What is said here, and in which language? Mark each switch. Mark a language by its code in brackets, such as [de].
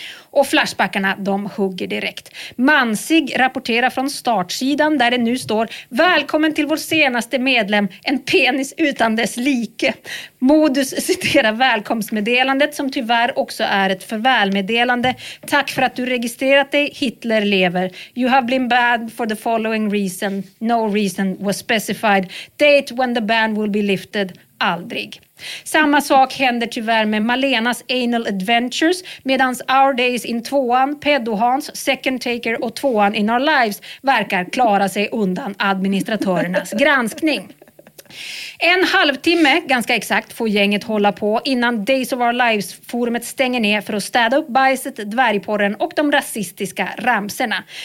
[sv] Och flashbackarna, de hugger direkt. Mansig rapporterar från startsidan där det nu står, välkommen till vår senaste medlem, en penis utan dess like. Modus citerar välkomstmeddelandet som tyvärr också är ett förvälmeddelande. Tack för att du registrerat dig, Hitler lever. [en] You have been banned for the following reason. No reason was specified. Date when the ban will be lifted. [sv] Aldrig. Samma sak händer tyvärr med Malenas Anal Adventures, medans Our Days in tvåan, Pedo Hans, Second Taker och tvåan in Our Lives verkar klara sig undan administratörernas granskning. En halvtimme, ganska exakt, får gänget hålla på innan Days of Our Lives-forumet stänger ner för att städa upp bajset, dvärgporren och de rasistiska ramserna.